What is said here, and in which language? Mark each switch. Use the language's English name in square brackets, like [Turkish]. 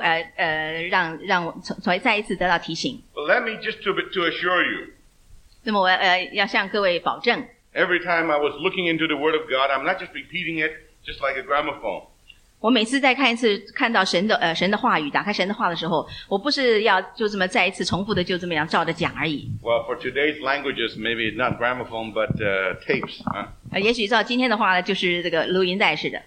[Chinese] 我们这些老基督徒也更需要让再一次得到提醒。 [English] Well, let me just to assure you. [Chinese] 那么我要向各位保证。 [English] Every time I was looking into the Word of God, I'm not just repeating it just like a gramophone. [Chinese] 我每次再看一次看到神的话语，打开神的话的时候，我不是要就这么再一次重复的就这么样照着讲而已。 [English] Well, for today's languages, maybe not gramophone, but tapes. [Chinese] 也许照今天的话呢，就是这个录音带似的。